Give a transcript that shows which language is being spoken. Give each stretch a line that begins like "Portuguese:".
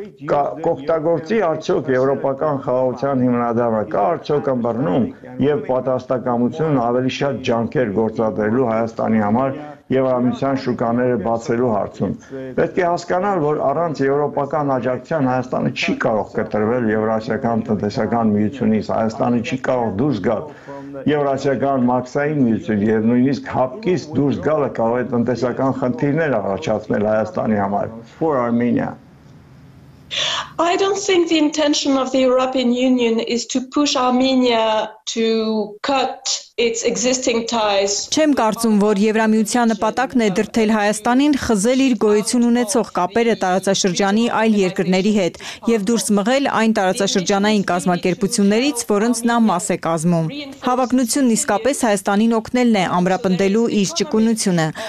Armenian: Կօգտագործի արդյոք Եվրոպական խաղաղության հիմնադրամը, կա արդյոք ըմբռնում և պատասխանատվություն ավելի շատ ջանքեր գործադրելու Հայաստանի համար Եվրամիության շուկաները բացելու հարցում։ Պետք է հասկանալ, որ առանց Եվրոպական աջակցության Հայաստանը չի կարող կտրվել Եվրասիական տնտեսական միությունից, Հայաստանը չի կարող դուրս գալ Եվրասիական մաքսային միություն եւ նույնիսկ հապկից դուրս գալը կարող է տնտեսական խնդիրներ առաջացնել Հայաստանի համար.
English: For Armenia. I don't think the intention of the European Union is to push Armenia to cut its existing ties.
Armenian: Չեմ կարծում, որ Եվրամիության նպատակն է դրդել Հայաստանին խզել իր գոյություն ունեցող կապերը տարածաշրջանի այլ երկրների հետ եւ դուրս մղել այն տարածաշրջանային կազմակերպություններից, որոնց նա մաս է կազմում։ Հավակնությունն իսկապես Հայաստանին օգնելն է ամրապնդելու իր ճկունությունը։